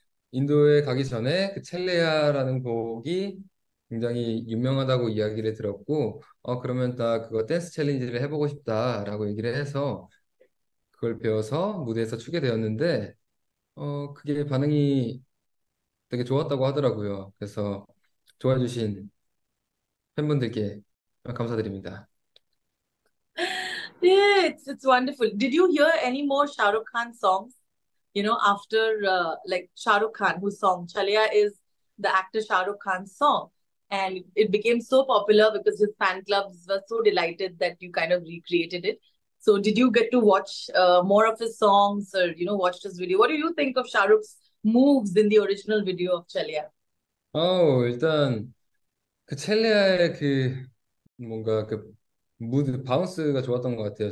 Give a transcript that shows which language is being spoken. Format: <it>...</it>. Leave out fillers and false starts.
<ko>인도에 가기 전에 그 첼레야라는 곡이 굉장히 유명하다고 이야기를 들었고, 그러면 다 그거 댄스 챌린지를 해보고 싶다라고 얘기를 해서 그걸 배워서 무대에서 추게 되었는데, 그게 반응이 되게 좋았다고 하더라고요. 그래서 좋아해 주신 팬분들께 감사드립니다.</ko> <en>Yeah, it's wonderful. Did you hear any more Shah Rukh Khan songs? You know, after like Shah Rukh Khan, whose song Chaliya is the actor Shah Rukh Khan's song, and it became so popular because his fan clubs were so delighted that you kind of recreated it. So, did you get to watch more of his songs, or you know, watch his video? What do you think of Shah Rukh's moves in the original video of Chaliya?</en> <ko>Oh, 일단 그 첼리아의 그 뭔가 그 무드 바운스가 좋았던 것 같아요.</ko>